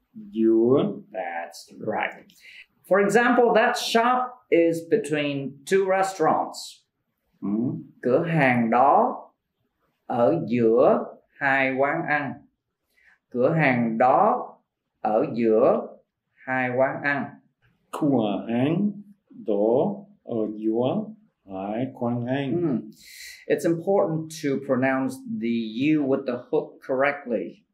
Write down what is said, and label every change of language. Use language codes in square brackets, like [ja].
[en] Giữa. That's right. For example, that shop is between two restaurants. [vi] Cửa hàng đó ở giữa hai quán ăn. Cửa hàng đó ở giữa hai quán ăn. Cửa hàng đó ở giữa hai quán ăn. [en] It's important to pronounce the U with the hook correctly.